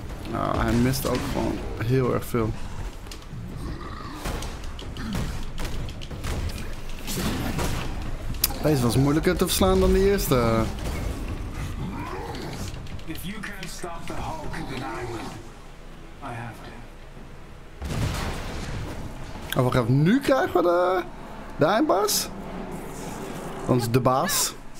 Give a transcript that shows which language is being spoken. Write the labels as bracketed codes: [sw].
[nl] Nou, hij mist ook gewoon heel erg veel. Deze was moeilijker te verslaan dan de eerste. [en] If you can't stop the Hulk, then I will. I have to. Oh, [nl] wacht even. Nu krijgen we de eindbaas? Ons de baas.